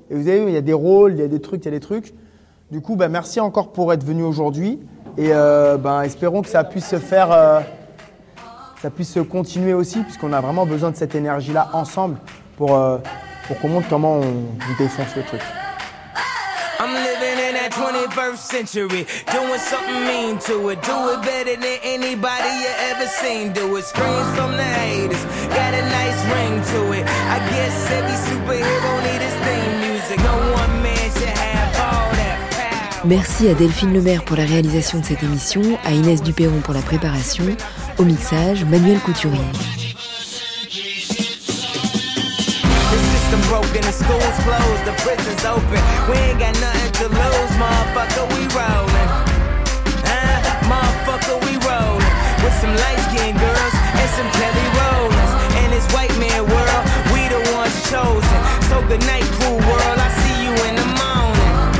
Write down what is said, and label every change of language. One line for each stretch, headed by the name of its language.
French: Et vous avez vu, il y a des rôles, il y a des trucs. Du coup, merci encore pour être venu aujourd'hui. Et espérons que ça puisse se faire, ça puisse se continuer aussi, puisqu'on a vraiment besoin de cette énergie là ensemble pour qu'on montre comment on défonce le truc.
English: I'm living in that 21st century, doing something mean to it. Do it better than anybody you ever seen do it. Screams from the haters, got a nice ring to it. I guess every superhero need his theme music. No one man should have all that power.
French: Merci à Delphine Lemaire pour la réalisation de cette émission, à Inès Dupéron pour la préparation, au mixage, Manuel Couturier.
English: Broken, the school's closed, the prison's open. We ain't got nothing to lose, motherfucker, we rollin'. Motherfucker, we rollin'. With some light-skinned girls and some Kelly Rollins. And this white man world, we the ones chosen. So good night, cruel world, I see you in the morning.